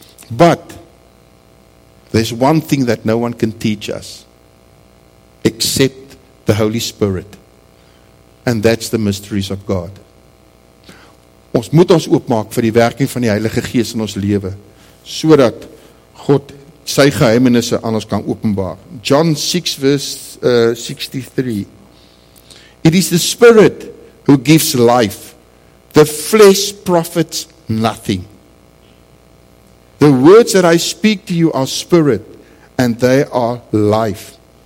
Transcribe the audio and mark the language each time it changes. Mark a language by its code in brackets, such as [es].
[en] But, there's one thing that no one can teach us, except the Holy Spirit. And that's the mysteries of God. [af] Ons moet ons oopmaak vir die werking van die Heilige Gees in ons lewe, sodat God sy geheimenisse aan ons kan openbaar. [en] John 6 verse 63. It is the spirit who gives life. The flesh profits nothing. The words that I speak to you are spirit and they are life.